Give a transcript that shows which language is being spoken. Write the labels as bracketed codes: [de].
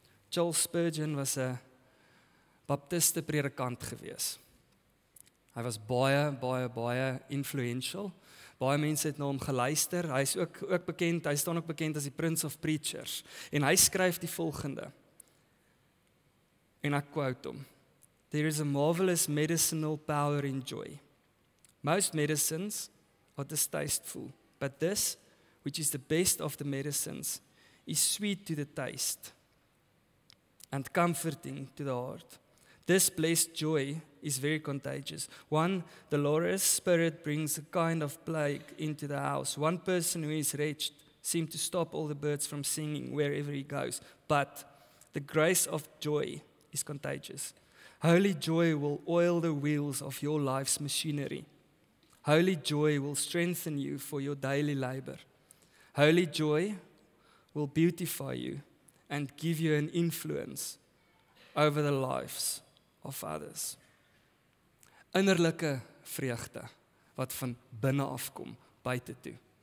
[af] Charles Spurgeon was 'n baptiste predikant gewees. Hy was baie influential. Baie mense het na hom geluister. Hy is ook bekend, hy staan ook bekend as die Prince of Preachers. En hy skryf die volgende. En ek quote hom. [en] There is a marvelous medicinal power in joy. Most medicines are distasteful, but this, which is the best of the medicines, is sweet to the taste and comforting to the heart. This blessed joy is very contagious. One, the Lord's spirit brings a kind of plague into the house. One person who is wretched seems to stop all the birds from singing wherever he goes. But the grace of joy is contagious. Holy joy will oil the wheels of your life's machinery. Holy joy will strengthen you for your daily labor. Holy joy will beautify you and give you an influence over the lives of others. [af] Innerlike vreugde wat van binne afkom, buite toe.